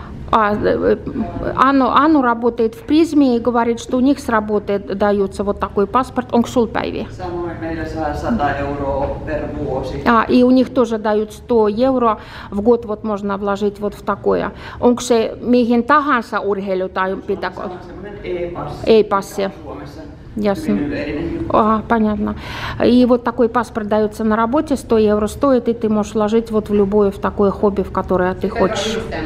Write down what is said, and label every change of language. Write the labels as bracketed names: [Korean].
[Russian] Anu работает в призме и говорит, что у них с работы даются вот такой паспорт. [Finnish] Onko sul päivi? Samoin meillä saa 100 euroa per vuosi. [Russian] А, и у них тоже дают 100 евро в год, вот можно вложить вот в такое. [Finnish] Onko se mihin tahansa urheilu tai pitäkö? Se on semmoinen e-passi. [Russian] Ясно. Ага, понятно. И вот такой паспорт дается на работе, 100 евро стоит, и ты можешь вложить вот в любое, в такое хобби, в которое ты хочешь.